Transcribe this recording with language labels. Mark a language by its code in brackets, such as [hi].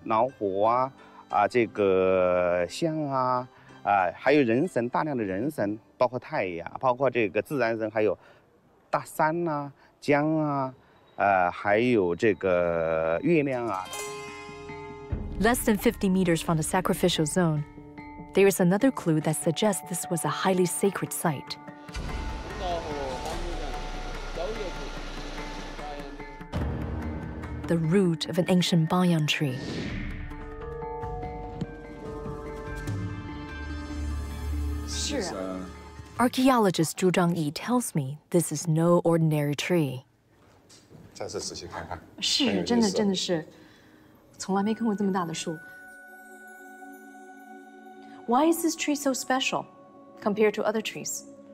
[zh] 在古代蜀人就特别在意神的反应，特别在意神的跟神的沟通。那个时候，当然我们知道那个时候是一个万物有灵的这么一个时代，也是一个众神时代。在古代蜀国，我们已经知道他的所有的他崇拜对象有动物神嘞，老虎啊，这个象啊。还有人神，大量的人神，包括太阳，包括这个自然神，还有大山呐、江啊，还有这个月亮啊。 [en] Less than 50 meters from the sacrificial zone, there is another clue that suggests this was a highly sacred site. The root of an ancient banyan tree. Archaeologist Zhu Zhangyi tells me this is no ordinary tree. [zh] 再次仔细看看，是真的，从来没看过这么大的树。 [en] Why is this tree so special compared to other trees?